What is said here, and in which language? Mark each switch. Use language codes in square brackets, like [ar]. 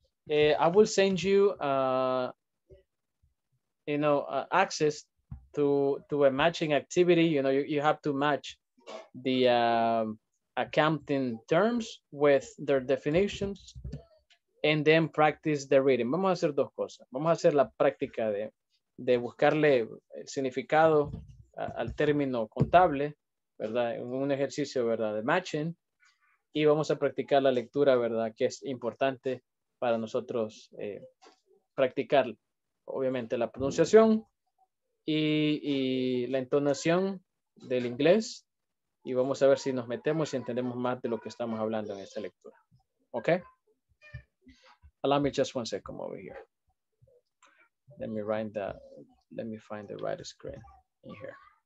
[en] I will send you access to a matching activity. You know, you have to match the accounting terms with their definitions and then practice the reading. [es] Vamos a hacer dos cosas. Vamos a hacer la práctica de buscarle el significado al término contable, ¿verdad? Un ejercicio, ¿verdad? De matching. Y vamos a practicar la lectura, ¿verdad? Que es importante para nosotros practicar. Obviamente la pronunciación y la entonación del inglés. Y vamos a ver si nos metemos y entendemos más de lo que estamos hablando en esta lectura. [en] ¿Ok? Allow me just one second over here. Let me find the right screen in here.